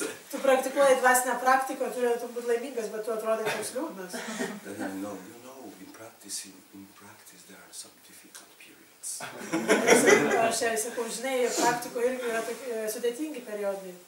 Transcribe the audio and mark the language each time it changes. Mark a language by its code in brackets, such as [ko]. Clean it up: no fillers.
[lt] Tu praktikuoji dvasinę praktiką, turėtų būti laimingas, bet tu atrodai toks liūdnas. [en] No, you know, in practice there are some difficult periods. [lt] Aš sakau, žinai, praktiko irgi yra sudėtingi periodai.